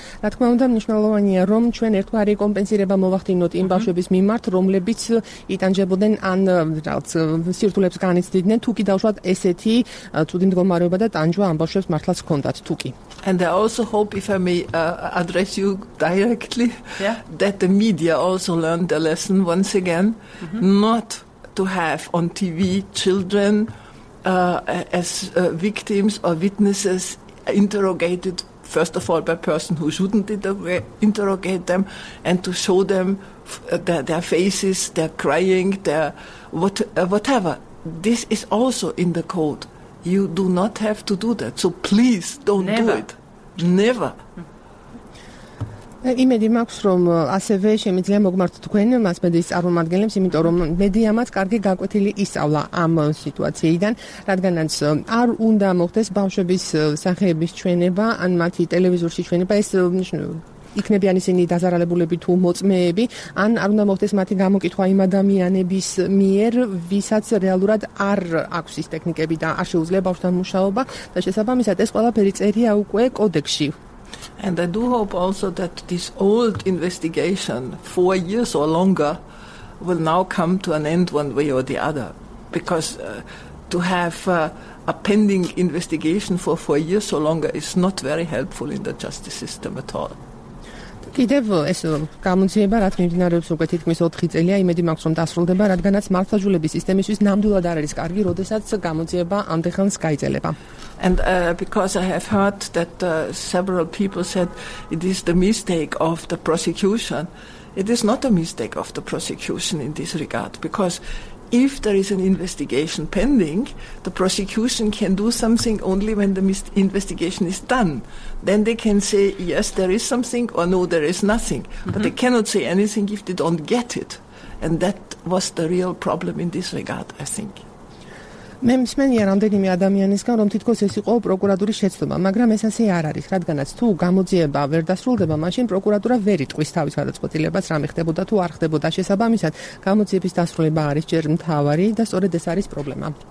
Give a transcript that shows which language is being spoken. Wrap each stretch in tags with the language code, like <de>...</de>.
<ka>რა თქმა უნდა, მნიშვნელოვანია, რომ ჩვენ ერთგვარი კომპენსირება მოვახდინოთ იმ ბავშვების მიმართ, რომლებიც იტანჯებოდნენ ან რაღაც სირთულებს განიცდიდნენ, თუ კი დავშვათ ესეთი ცუდი მდგომარეობა ანჯო ამბავშებს მართლაც ჰქონდათ თუკი.</ka> <en>And I also hope if I may address you directly that the media also learned the lesson once again not to have on TV children as victims or witnesses interrogated first of all by person who shouldn't interrogate them and to show them their faces, their crying, their whatever. This is also in the code. You do not have to do that, so please don't do it. Never.</en> <ka>იმედი მაქვს რომ ასევე შემიძლია მოგმართოთ თქვენ მასმედიის წარმომადგენლებს, იმიტომ რომ მედია მათ კარგი გაკვეთილი ისწავლა ამ სიტუაციიდან, რადგანაც არ უნდა მოხდეს ბავშვების სახეების ჩვენება ან მათი ტელევიზორში ჩვენება, ეს იქნებიან ისინი დაზარალებულები თუ მოწმეები, ან არ უნდა მოხდეს მათი გამოკითხვა იმ ადამიანების მიერ, ვისაც რეალურად არ აქვს ის ტექნიკები და არ შეუძლია ბავშვთან მუშაობა და შესაბამისად ეს ყველაფერი წერია უკვე კოდექსში.</ka> <en>And I do hope also that this old investigation, 4 years or longer, will now come to an end one way or the other. Because to have a pending investigation for 4 years or longer is not very helpful in the justice system at all.</en> <ka>კიდევ ეს გამოძიება რა თქმა უნდა მდინარეობს უკვე თითქმის 4 წელია, იმედი მაქვს რომ დასრულდება, რადგანაც მართლმსაჯულების სისტემისთვის ნამდვილად არ არის კარგი, როდესაც გამოძიება ამდენხანს გაიწელება.</ka> <en>And because I have heard that several people said it is the mistake of the prosecution. It is not a mistake of the prosecution in this regard, because if there is an investigation pending, the prosecution can do something only when the investigation is done. Then they can say yes, there is something, or no, there is nothing. Mm-hmm. But they cannot say anything if they don't get it. And that was the real problem in this regard, I think.</en> <ka>მე მსმენია რამდენიმე ადამიანისგან, რომ თითქოს ეს იყო პროკურატურის შეცდომა, მაგრამ ეს ასე არ არის, რადგანაც თუ გამოძიება ვერ დასრულდება, მაშინ პროკურატურა ვერ იტყვის თავის გადაწყვეტილებას, რა მიხდებოდა თუ არ ხდებოდა. შესაბამისად, გამოძიების დასრულება არის ჯერ მთავარი და სწორედ ეს არის პრობლემა.</ka>